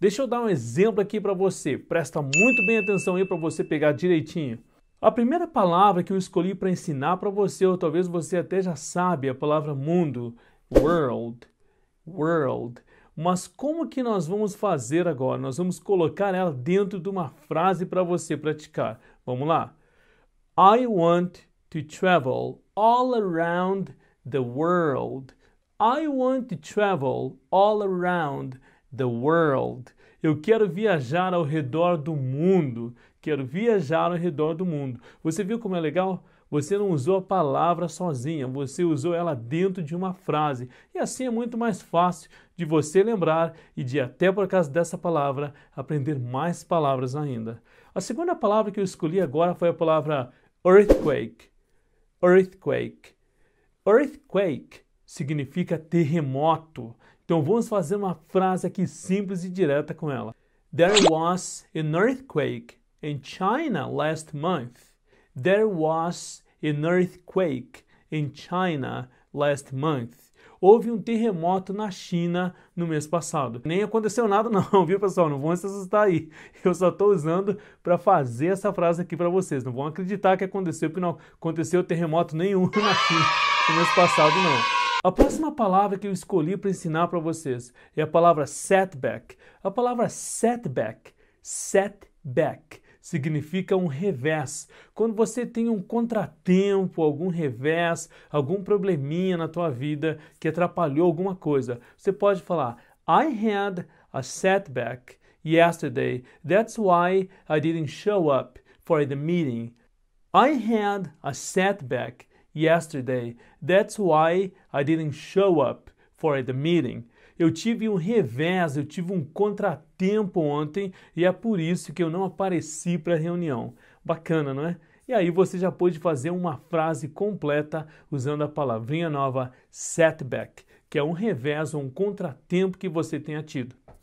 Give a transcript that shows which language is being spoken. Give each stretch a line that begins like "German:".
Portuguese: Deixa eu dar um exemplo aqui para você. Presta muito bem atenção aí para você pegar direitinho. A primeira palavra que eu escolhi para ensinar para você, ou talvez você até já sabe, é a palavra mundo. World, world. Mas como que nós vamos fazer agora? Nós vamos colocar ela dentro de uma frase para você praticar. Vamos lá.
English: I want to travel all around the world. I want to travel all around the world.
Portuguese: Eu quero viajar ao redor do mundo. Quero viajar ao redor do mundo. Você viu como é legal? Você não usou a palavra sozinha, você usou ela dentro de uma frase. E assim é muito mais fácil de você lembrar e de, até por causa dessa palavra, aprender mais palavras ainda. A segunda palavra que eu escolhi agora foi a palavra earthquake. Earthquake. Earthquake significa terremoto. Então vamos fazer uma frase aqui simples e direta com ela.
English: There was an earthquake in China last month. There was an earthquake in China last month.
Portuguese: Houve um terremoto na China no mês passado. Nem aconteceu nada não, viu pessoal? Não vão se assustar aí. Eu só estou usando para fazer essa frase aqui para vocês. Não vão acreditar que aconteceu, porque não aconteceu terremoto nenhum na China no mês passado não. A próxima palavra que eu escolhi para ensinar para vocês é a palavra setback. A palavra setback, setback, significa um revés. Quando você tem um contratempo, algum revés, algum probleminha na tua vida que atrapalhou alguma coisa, você pode falar:
English: I had a setback yesterday. That's why I didn't show up for the meeting. I had a setback yesterday. That's why I didn't show up for the meeting.
Portuguese: Eu tive um revés, eu tive um contratempo ontem e é por isso que eu não apareci para a reunião. Bacana, não é? E aí você já pôde fazer uma frase completa usando a palavrinha nova setback, que é um revés ou um contratempo que você tenha tido.